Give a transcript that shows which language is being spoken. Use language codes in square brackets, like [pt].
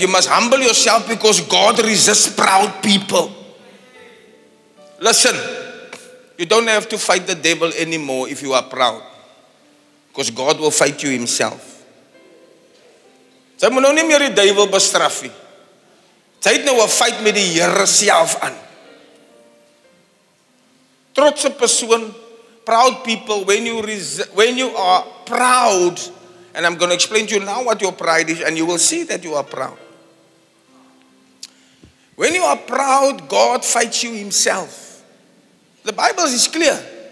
[en] You must humble yourself because God resists proud people. Listen, you don't have to fight the devil anymore if you are proud. Because God will fight you himself. It's [af] Sy moet nou nie meer die duivel bestraf nie. Sy het nou 'n fight met die Here self aan. Trotse persoon, [en] proud people, when you are proud, and I'm going to explain to you now what your pride is, and you will see that you are proud. When you are proud, God fights you himself. The Bible is clear.